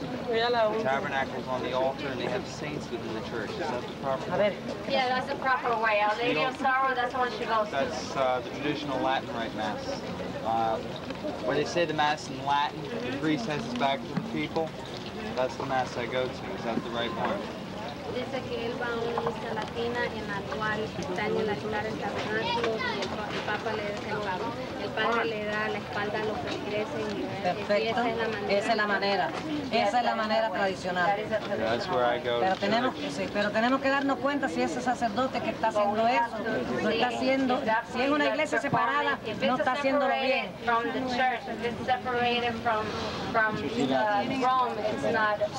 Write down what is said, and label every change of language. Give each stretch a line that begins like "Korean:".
English: The tabernacle's on the altar and they have saints within the church. Is that the proper way? Yeah, that's the proper way. Our Lady of Sorrow, that's the one she goes to. That's the traditional Latin Rite Mass. Where they say the Mass in Latin, the priest has his back to the people, that's the Mass I go to. Is that the right one?
Spanish: Dice que él va a una misa latina en la cual está en el altar el tabernáculo y el Papa le da el padre le da la espalda a los que ingresen. Perfecto. Esa es la manera. Esa es la manera tradicional. Pero tenemos que darnos cuenta si ese sacerdote que está haciendo eso lo está haciendo. Si es una iglesia separada, no está haciéndolo bien.
English: If it's separated from the church, if it's separated from Rome, it's not.